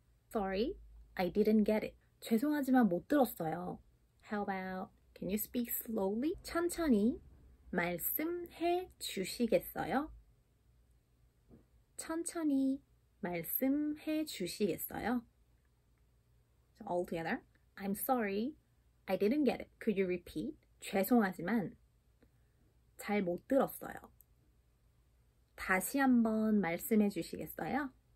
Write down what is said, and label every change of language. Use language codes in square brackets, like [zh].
[en] Sorry, I didn't get it. [ko] 죄송하지만 못 들었어요. [en] How about, can you speak slowly? [ko] 천천히 말씀해 주시겠어요? 천천히 말씀해 주시겠어요? [en] So all together, I'm sorry, I didn't get it. Could you repeat? [ko] 죄송하지만 잘 못 들었어요. 다시 한번 말씀해 주시겠어요?